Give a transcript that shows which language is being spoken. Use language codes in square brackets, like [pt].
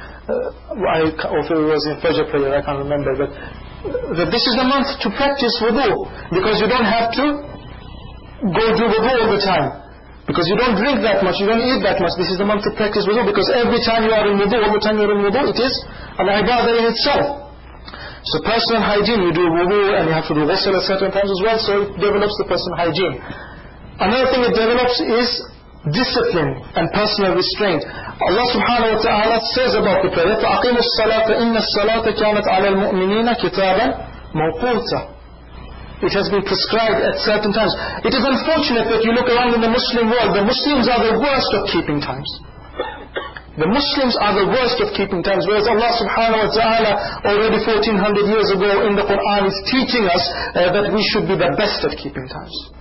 [en] Or it was in Fajr prayer, I can't remember, but that this is the month to practice wudu, because you don't have to go do wudu all the time, because you don't drink that much, you don't eat that much. This is the month to practice wudu, because every time you are in wudu, all the time you are in wudu, it is an ibadah in itself. So personal hygiene, you do wudu and you have to do ghusl at certain times as well, so it develops the personal hygiene. Another thing it develops is discipline and personal restraint. Allah subhanahu wa ta'ala says about the prayer, [ar] فَأَقِمُ الصَّلَاةَ إِنَّ الصَّلَاةَ كَانَتْ عَلَى الْمُؤْمِنِينَ كِتَابًا مَوْقُوتًا. [en] It has been prescribed at certain times. It is unfortunate that you look around in the Muslim world, the Muslims are the worst of keeping times. The Muslims are the worst of keeping times, whereas Allah subhanahu wa ta'ala already 1400 years ago in the Quran is teaching us that we should be the best at keeping times.